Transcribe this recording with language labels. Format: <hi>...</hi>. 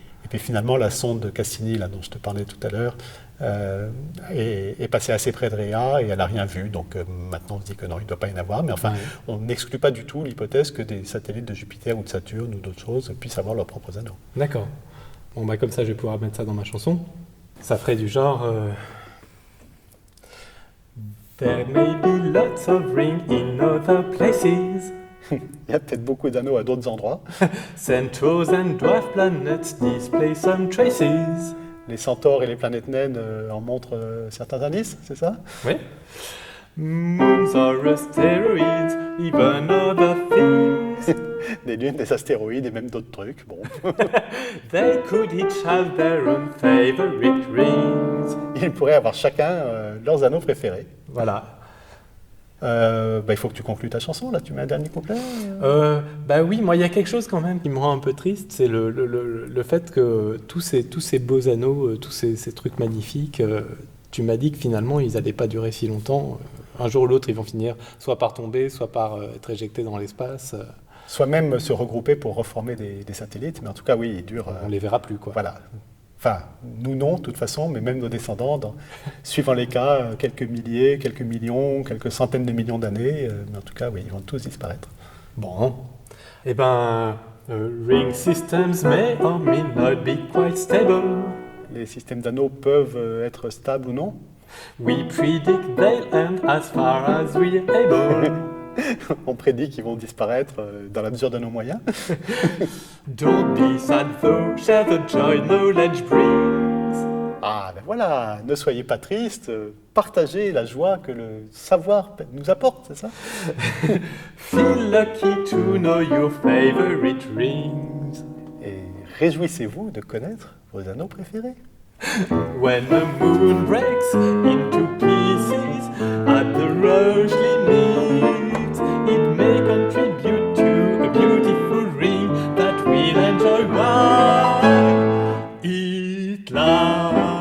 <fr>Et puis finalement, la sonde Cassini, là, dont je te parlais tout à l'heure, est passée assez près de Rhea et elle n'a rien vu. Donc maintenant, on se dit que non, il ne doit pas y en avoir. Mais enfin, on n'exclut pas du tout l'hypothèse que des satellites de Jupiter ou de Saturne ou d'autres choses puissent avoir leurs propres anneaux. D'accord. Bon, bah, comme ça, je vais pouvoir mettre ça dans ma chanson. Ça ferait du genre...</fr> <en>There may be lots of rings in other places.</en> <fr>Il y a peut-être beaucoup d'anneaux à d'autres endroits.</fr> <en>Centaurs and dwarf planets display some traces.</en> <fr>Les centaures et les planètes naines en montrent certains indices, c'est ça ? Oui.</fr> <en>Moons are asteroids, even other things.</en> <fr>Des lunes, des astéroïdes et même d'autres trucs, bon.</fr> <en>They could each have their own favorite rings.</en> <fr>Ils pourraient avoir chacun leurs anneaux préférés. Voilà. Bah, il faut que tu conclues ta chanson, là, tu mets un dernier couplet. Bah oui, moi, il y a quelque chose quand même qui me rend un peu triste, c'est le fait que tous ces beaux anneaux, tous ces trucs magnifiques, tu m'as dit que finalement, ils n'allaient pas durer si longtemps. Un jour ou l'autre, ils vont finir soit par tomber, soit par être éjectés dans l'espace. Soit même se regrouper pour reformer des satellites, mais en tout cas, oui, ils durent. On ne les verra plus, quoi. Voilà. Enfin, nous non, de toute façon, mais même nos descendants, suivant les cas, quelques milliers, quelques millions, quelques centaines de millions d'années, mais en tout cas, oui, ils vont tous disparaître. Bon. Eh ben,</fr> <en>ring systems may or may not be quite stable.</en> <fr>Les systèmes d'anneaux peuvent être stables ou non.</fr> <en>We predict they'll end as far as we're able.</en> <fr>On prédit qu'ils vont disparaître dans la mesure de nos moyens.</fr> <en>Don't be sad, though, share the joy knowledge brings.</en> <fr>Ah, ben voilà, ne soyez pas triste, partagez la joie que le savoir nous apporte, c'est ça?</fr> <en>Feel lucky to know your favorite rings.</en> <fr>Et réjouissez-vous de connaître vos anneaux préférés.</fr> <en>When the moon breaks into pieces at the Rogely Meet, it may contribute to a beautiful ring that we'll enjoy while it lasts.</en>